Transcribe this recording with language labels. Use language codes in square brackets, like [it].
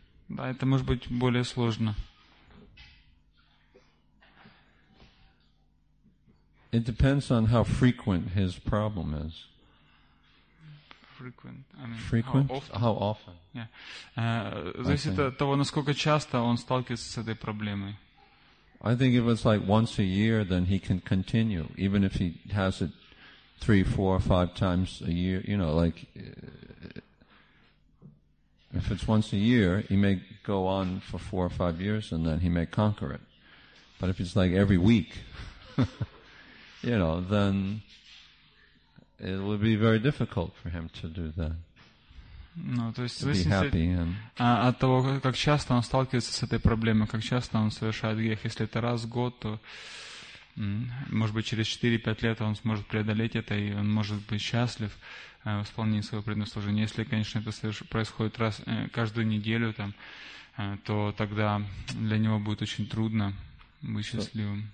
[ru] Да, это может быть более сложно. [en] It depends on how frequent his problem is. Frequent, I mean, frequent? How often? Yeah. [ru] Зависит от того, насколько часто он сталкивается с этой проблемой. [en] I think if it's like once a year, then he can continue, even if he has it 3, 4, 5 times a year. You know, like if it's once a year, he may go on for 4 or 5 years, and then he may conquer it. But if it's like every week, you know, then it would be very difficult for him to do that. [ru] Ну, то есть, от того, как часто он сталкивается с этой проблемой, как часто он совершает грех, если это раз в год, то, может быть, через 4-5 лет он сможет преодолеть это, и он может быть счастлив в исполнении своего предназначения. Если, конечно, это происходит раз каждую неделю, там, то тогда для него будет очень трудно быть счастливым.